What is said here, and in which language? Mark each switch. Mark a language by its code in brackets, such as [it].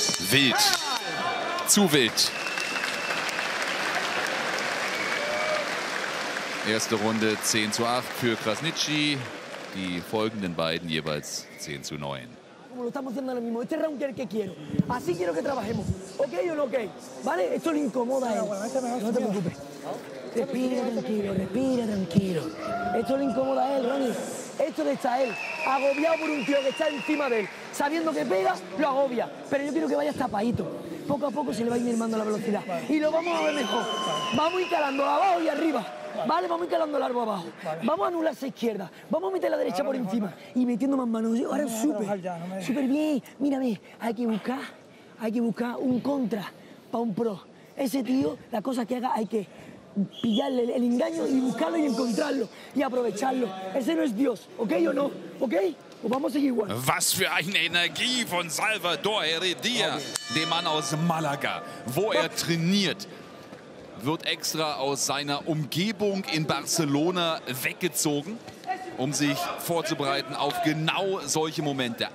[de] Wild. Zu wild. Erste Runde 10 zu 8 für Krasniqi. Die folgenden beiden jeweils 10 zu 9. [es] Lo stiamo haciendo ahora mismo. Este round que es el que quiero. Así quiero que trabajemos. ¿Ok o no ok? ¿Vale? Esto le incomoda a él. No te preocupes. Respira tranquilo, respira tranquilo. Esto le incomoda a él, Ronnie. Esto le está a él. Agobiado por un tío que está encima de él. Sabiendo que pega, lo agobia. Pero yo quiero que vaya tapadito. Poco a poco se le va a ir mermando la velocidad. Y lo vamos a ver mejor. Vamos a ir calando abajo y arriba. Vale, vamos a ir calando largo abajo. Vale. Vamos a anular esa izquierda. Vamos a meter la derecha por encima. Y metiendo más manos. Ahora súper. Súper bien. Mírame, hay que buscar un contra para un pro. Ese tío, la cosa que haga, hay que pillarle el engaño y buscarlo y encontrarlo y aprovecharlo. Ese no es Dios, ¿ok o no? ¿Ok? O vamos a seguir igual. [de] Was für eine Energie von Salvador Heredia, dem Mann aus Malaga, wo er trainiert. Wird extra aus seiner Umgebung in Barcelona weggezogen, um sich vorzubereiten auf genau solche Momente.